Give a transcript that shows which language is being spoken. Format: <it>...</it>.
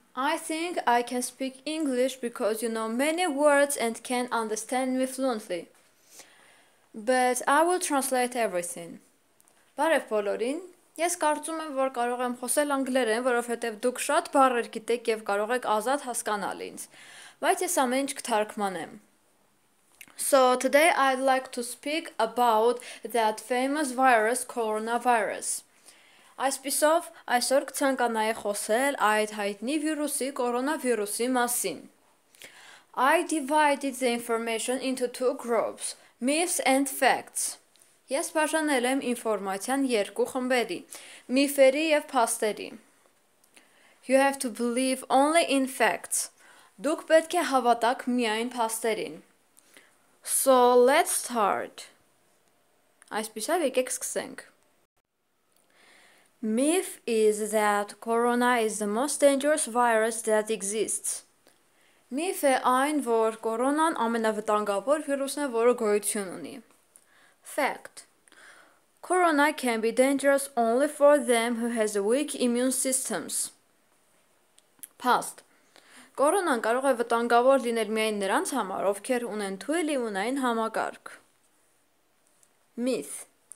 <en>I think I can speak English because you know many words and can understand me fluently. But I will translate everything.</en> <hy>Բարև բոլորին. Ես կարծում եմ, որ կարող եմ խոսել անգլերեն, որովհետև դուք շատ բառեր գիտեք եւ կարող եք ազատ հասկանալ ինձ. Բայց ես ամեն ինչ կթարգմանեմ.</hy> <en>So today I'd like to speak about that famous virus, coronavirus.</en> <hy>Այսպիսով, այսօր կցանկանայի խոսել այդ հայտնի վիրուսի, կորոնավիրուսի մասին.</hy> <en>I divided the information into two groups, myths and facts.</en> <hy>Ես բաժանել եմ ինֆորմացիան երկու խմբերի, միֆերի և փաստերի.</hy> <en>You have to believe only in facts.</en> <hy>Դուք պետք է հավատաք միայն փաստերին.</hy> <en>So let's start.</en> <hy>Այսպիսով եկեք սկսենք.</hy> <en>Myth is that corona is the most dangerous virus that exists.</en> <hy>Myth է այն, որ կորոնան ամենավտանգավոր վիրուսն է, որը գոյություն ունի. Fact.</hy> <en>Corona can be dangerous only for them who has weak immune systems. Past.</en> <hy>Կորոնան կարող է վտանգավոր լինել միայն նրանց համար, ովքեր ունեն թույլ իմունային համակարգ. Myth.</hy>